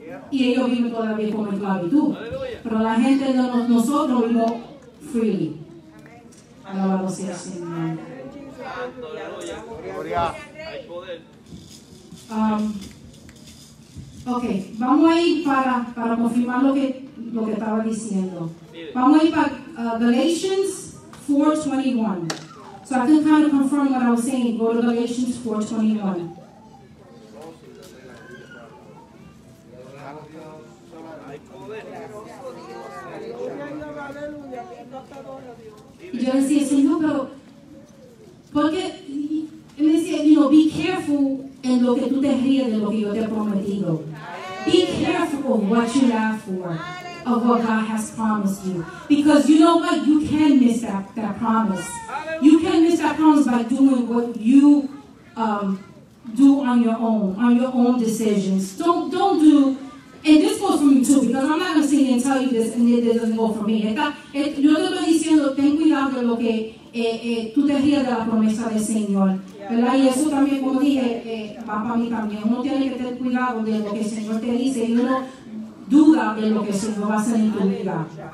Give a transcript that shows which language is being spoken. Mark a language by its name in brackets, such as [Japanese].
[Spanish] Y ellos viven todavía como esclavitud. Pero la gente de nosotros vivió freely. Alabado sea el Señor. Gloria. Ok, vamos a ir para confirmar lo que estaba diciendo. Vamos a ir para Galatians 4:21. [English] So I can kind of confirm what I was saying. Go to Galatians 4:21. [Spanish] Yo decía, Señor, pero porque él decía, [English] be careful [Spanish] en lo que tú te ríes de lo que yo te he prometido. [English] Be careful of what you laugh for, of what God has promised you. Because you know what? You can miss that promise. You can miss that promise by doing what you do on your own decisions. Don't do. And this goes for me too, because I'm not going to sit here and tell you this, and it doesn't go for me. [Spanish] Yo te estoy diciendo, ten cuidado de lo que tú te rías de la promesa del Señor, ¿verdad? Y eso también, como dije, va para mí también. Uno tiene que tener cuidado de lo que el Señor te dice, y uno duda de lo que el Señor va a hacer en tu vida.